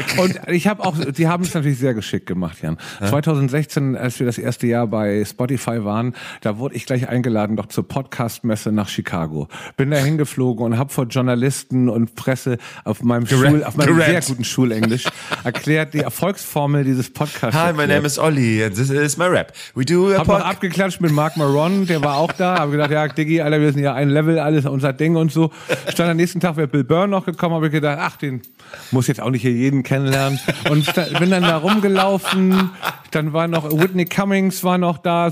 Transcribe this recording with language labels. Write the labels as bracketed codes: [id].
[de] Und ich habe auch, die haben es natürlich sehr geschickt gemacht, Jan. 2016, als wir das erste Jahr bei Spotify waren, da wurde ich gleich eingeladen doch zur Podcast-Messe nach Chicago. Bin da hingeflogen und habe vor Journalisten und Presse auf meinem sehr guten Schulenglisch erklärt die Erfolgsformel dieses Podcasts. [en] Hi, my name is Olli and this is my rap. We do a [de] hab noch abgeklatscht mit Mark Maron, der war auch da. Hab gedacht, ja, Diggi, Alter, wir sind ja ein Level, alles unser Ding und so. Stand am nächsten Tag, wäre Bill Burr noch gekommen, habe ich gedacht, ach, den muss jetzt auch nicht hier jeden kennenlernt. Und bin dann da rumgelaufen. Dann war noch Whitney Cummings war noch da.